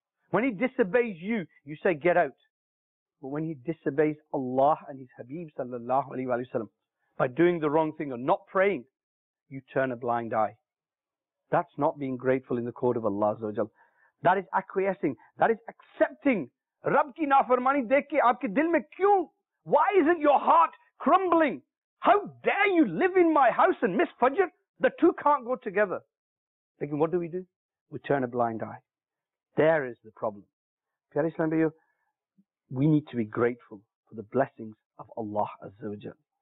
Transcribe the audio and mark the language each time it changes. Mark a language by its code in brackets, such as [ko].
[en] When he disobeys you, you say, get out. But when he disobeys Allah and his Habib sallallahu alayhi wa sallam, by doing the wrong thing or not praying, you turn a blind eye. That's not being grateful in the court of Allah azza wa jal. That is acquiescing. That is accepting. [ur] رب کی نافرمانی دیکھکے آپکے دل میں کیوں? [en] Why isn't your heart crumbling? How dare you live in my house and miss Fajr? The two can't go together. Again, what do? We turn a blind eye. There is the problem. Piyar Islam Bayu, we need to be grateful for the blessings of Allah Azza wa Jal.